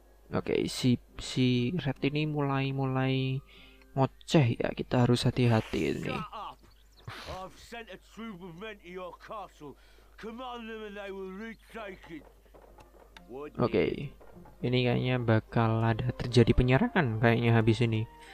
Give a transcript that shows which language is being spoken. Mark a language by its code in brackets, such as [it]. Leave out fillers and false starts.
[id] Okay, si Red ini mulai ngoceh ya, kita harus hati-hati ini. [en] I've sent a troop of men to your castle. Command them and they will retake it. [id] Oke, ini kayaknya bakal ada terjadi penyerangan kayaknya habis ini.